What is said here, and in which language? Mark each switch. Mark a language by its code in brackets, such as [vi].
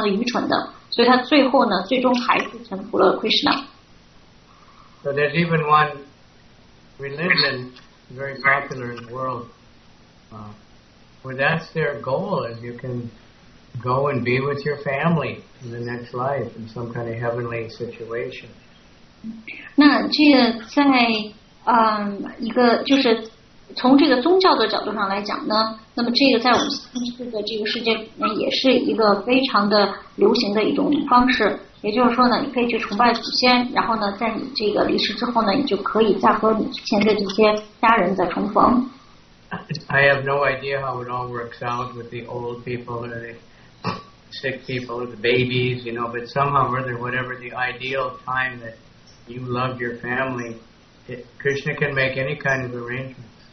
[zh] 但是呢，他非常的幸运，因为他意识到他的这个做法呢，其实是非常的愚蠢的，所以他最后呢，最终还是臣服了 Krishna. [en] So there's even one religion very popular in the world, where that's their goal, is you can go and be with your family in the next life in some kind of heavenly situation. [zh] 那这个在一个就是。从这个宗教的角度上来讲呢，那么这个在我们这个这个世界也是一个非常的流行的一种方式。也就是说呢，你可以去崇拜祖先，然后呢，在你这个离世之后呢，你就可以再和你之前的这些家人再重逢。 [en] I have no idea how it all works out with the old people or the sick people or the babies, you know, but somehow or other, whatever the ideal time that you love your family, Krishna can make any kind of arrangement.